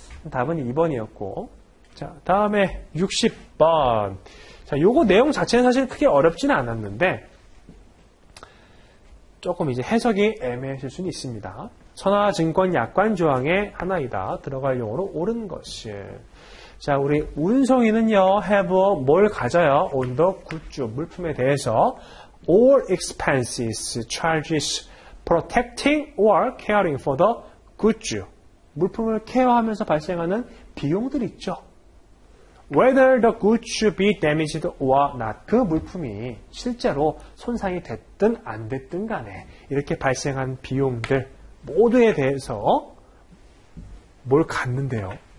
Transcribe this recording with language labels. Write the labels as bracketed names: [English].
[Korean] 답은 2번이었고. 자, 다음에 60번. 자, 요거 내용 자체는 사실 크게 어렵진 않았는데, 조금 이제 해석이 애매하실 수는 있습니다. 선화증권 약관 조항의 하나이다. 들어갈 용어로 옳은 것이. 자, 우리 운송인은요, have, 뭘 가져요? [English] on the goods, [Korean] 물품에 대해서, [English] all expenses, charges, protecting or caring for the goods. [Korean] 물품을 케어하면서 발생하는 비용들 있죠. [English] Whether the goods be damaged or not, [Korean] 그 물품이 실제로 손상이 됐든 안 됐든 간에 이렇게 발생한 비용들 모두에 대해서 뭘 갖는데요.